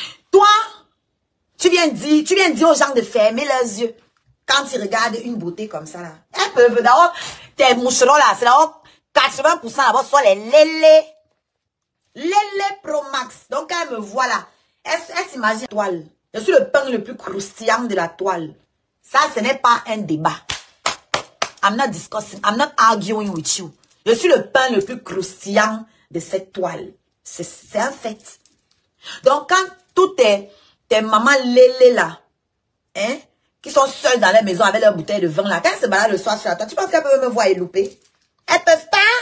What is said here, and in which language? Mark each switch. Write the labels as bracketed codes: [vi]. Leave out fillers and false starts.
[fr] Toi, tu viens dire aux gens de fermer leurs yeux quand ils regardent une beauté comme ça. Là. Elles peuvent d'abord, tes moucherons là, c'est là-haut, 80% d'abord, soit les lélés. Lélés Pro Max. Donc, elles me voient là. Elles s'imaginent la toile. Je suis le pain le plus croustillant de la toile. Ça, ce n'est pas un débat. [en] I'm not discussing, I'm not arguing with you. [fr] Je suis le pain le plus croustillant de cette toile. C'est un fait. Donc, quand toutes tes mamans lélés là, hein, qui sont seules dans la maison avec leur bouteille de vin là, quand elles se baladent le soir sur la table, tu penses qu'elles peuvent me voir et louper? Elles peuvent pas.